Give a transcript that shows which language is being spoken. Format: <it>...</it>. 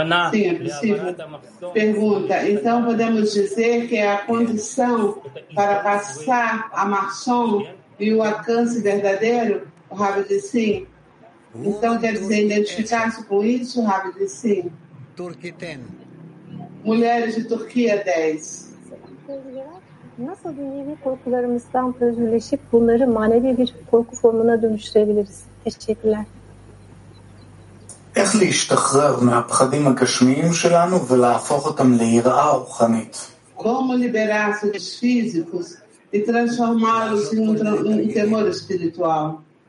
<pt>Sim, é possível. Pergunta. Então, podemos dizer que é a condição para passar a marçom e o alcance verdadeiro? O Ravi diz sim. Então, quer dizer, identificar-se com isso, Ravi diz sim. Turquia 10. Mulheres de Turquia 10.</pt> <tr>Nasıl dünyevi korkularımızdan özgürleşip bunları manevi bir korku formuna dönüştürebiliriz? Teşekkürler.</tr> <he>איך להשתחרר מהפחדים הגשמיים שלנו ולהפוך אותם ליראה רוחנית?</he> <pt>Como liberar-se dos físicos e transformá-los em um temor espiritual?</pt>